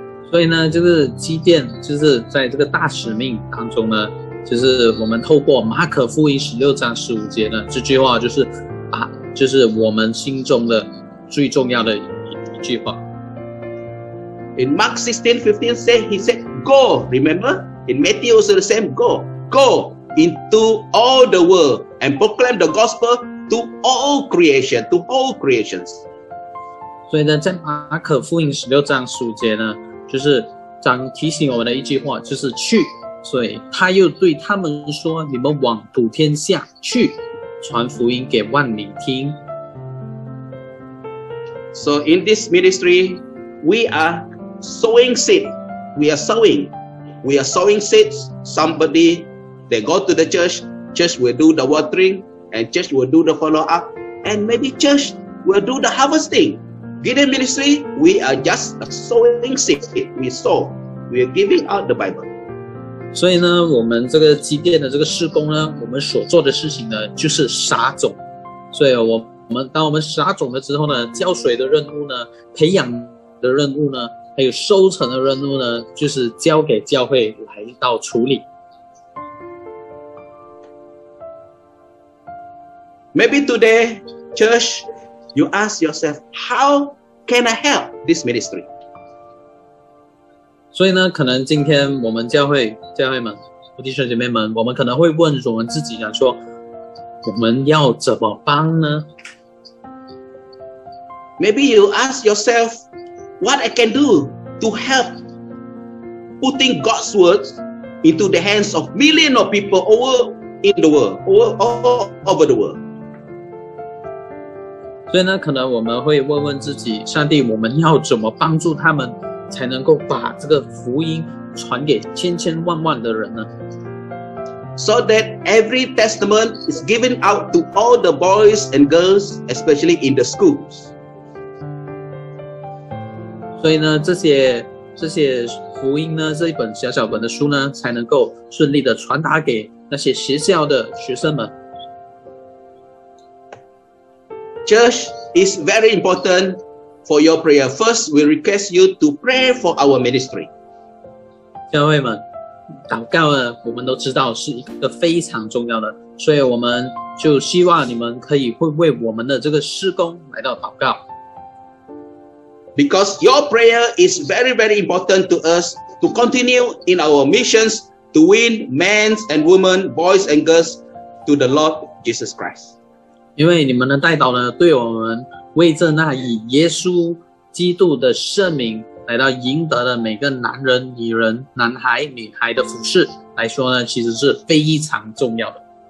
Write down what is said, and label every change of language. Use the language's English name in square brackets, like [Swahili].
[Chinese] 所以呢，就是基甸，就是在这个大使命当中呢，就是我们透过马可福音16:15呢，这句话就是啊，就是我们心中的最重要的一句话。 [English] In Mark 16:15, he said, "Go." Remember, in Matthew also the same. "Go, go into all the world and proclaim the gospel to all creation, to all creations." [Chinese] 所以呢，在马可福音16:15呢。就是长提醒我们的一句话，就是去。所以他又对他们说：“你们往普天下去，传福音给万民听。” [English] So in this ministry, we are sowing seed. We are sowing seeds. Somebody, they go to the church. Church will do the watering, and church will do the follow up, and maybe church will do the harvesting. Gideon ministry, we are just a sowing seed. We sow. We are giving out the Bible. [Chinese] 所以呢，我们这个基甸的这个事工呢，我们所做的事情呢，就是撒种。所以我们当我们撒种了之后呢，浇水的任务呢，培养的任务呢，还有收成的任务呢，就是交给教会来到处理。 [English] Maybe today, church. You ask yourself, how can I help this ministry? [Chinese] 所以呢，可能今天我们教会们、弟兄姐妹们，我们可能会问我们自己，想说，我们要怎么帮呢？ [English] Maybe you ask yourself, what I can do to help putting God's words into the hands of millions of people all over the world. [Chinese] 所以呢，可能我们会问问自己，上帝，我们要怎么帮助他们，才能够把这个福音传给千千万万的人呢？ [English] So that every testament is given out to all the boys and girls, especially in the schools. [Chinese] 所以呢，这些福音呢，这一本小小本的书呢，才能够顺利的传达给那些学校的学生们。 [English] Church is very important for your prayer. First, we request you to pray for our ministry. [Chinese] 教会们，祷告呢，我们都知道是一个非常重要的，所以我们就希望你们可以会为我们的这个事工来到祷告。 [English] Because your prayer is very, very important to us to continue in our missions to win men and women, boys and girls to the Lord Jesus Christ. [Chinese] 因为你们的代祷呢，对我们为着那以耶稣基督的圣名来到赢得的每个男人、女人、男孩、女孩的服事来说呢，其实是非常重要的。